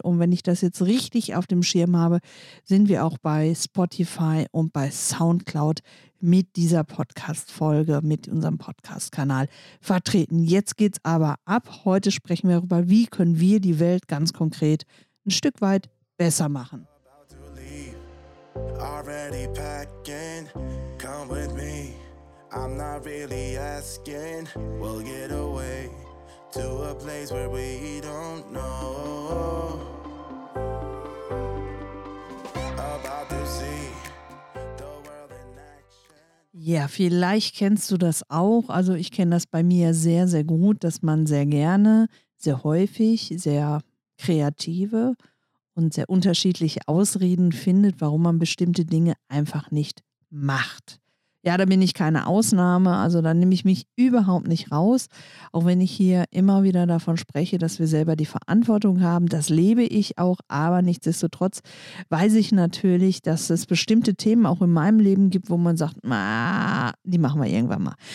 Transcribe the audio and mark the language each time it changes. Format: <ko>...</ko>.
<de>Und wenn ich das jetzt richtig auf dem Schirm habe, sind wir auch bei Spotify und bei SoundCloud mit dieser Podcast-Folge, mit unserem Podcast-Kanal vertreten. Jetzt geht's aber ab. Heute sprechen wir darüber, wie können wir die Welt ganz konkret ein Stück weit besser machen.</de> <en>Already packing, come with me. I'm not really asking. We'll get away to a place where we don't know. About to see the world in action.</en> <de>Ja, vielleicht kennst du das auch. Also, ich kenne das bei mir sehr, sehr gut, dass man sehr gerne, sehr häufig, sehr kreative und sehr unterschiedliche Ausreden findet, warum man bestimmte Dinge einfach nicht macht. Ja, da bin ich keine Ausnahme, also da nehme ich mich überhaupt nicht raus, auch wenn ich hier immer wieder davon spreche, dass wir selber die Verantwortung haben, das lebe ich auch, aber nichtsdestotrotz weiß ich natürlich, dass es bestimmte Themen auch in meinem Leben gibt, wo man sagt, die machen wir irgendwann mal.</de>